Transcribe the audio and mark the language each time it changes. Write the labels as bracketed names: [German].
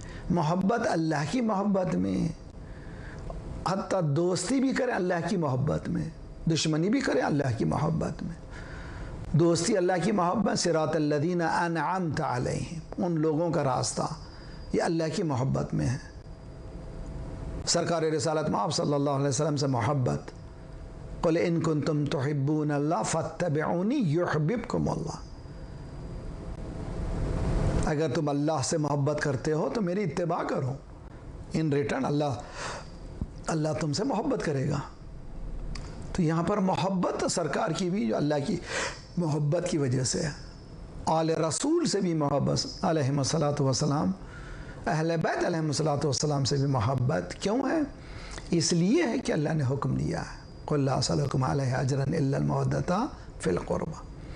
[Urdu] محبت اللہ کی محبت میں, حتیٰ دوستی بھی کریں اللہ کی محبت میں, دشمنی بھی کریں اللہ کی محبت میں. دوستی اللہ کی محبت, [Arabic] صراط الذین انعمت علیہم, [Urdu] ان لوگوں کا راستہ, یہ اللہ کی محبت میں ہے. سرکار رسالت مآب صلی اللہ علیہ وسلم سے محبت, [Arabic] قل ان كنتم تحبون الله فاتبعوني يحببكم الله. [Urdu] اگر تم اللہ سے محبت کرتے ہو تو میری اتباع کرو، [English] in return [Urdu] اللہ تم سے محبت کرے گا. تو یہاں پر محبت سرکار کی بھی جو اللہ کی محبت کی وجہ سے ہے، آل رسول سے بھی محبت علیہ الصلوۃ والسلام، اہل بیت علیہ الصلوۃ والسلام سے بھی محبت کیوں ہے؟ اس لیے ہے کہ اللہ نے حکم دیا ہے [Arabic] قل لا اسألکم علیہ اجرا الا المودۃ فی القربۃ.